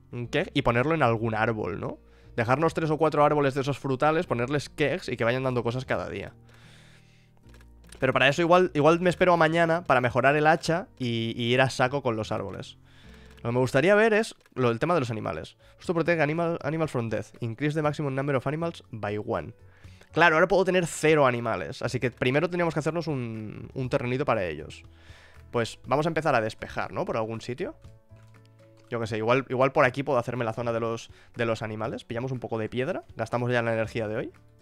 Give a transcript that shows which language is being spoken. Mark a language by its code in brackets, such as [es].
[es] Keg, y ponerlo en algún árbol, ¿no? Dejarnos tres o cuatro árboles de esos frutales, ponerles kegs y que vayan dando cosas cada día. Pero para eso igual me espero a mañana para mejorar el hacha y ir a saco con los árboles. Lo que me gustaría ver es el tema de los animales. Esto protege [en] animal from death. Increase the maximum number of animals by one. [es] Claro, ahora puedo tener cero animales. Así que primero tendríamos que hacernos un terrenito para ellos. Pues vamos a empezar a despejar, ¿no? Por algún sitio. Yo qué sé, igual por aquí puedo hacerme la zona de los animales. Pillamos un poco de piedra. Gastamos ya la energía de hoy.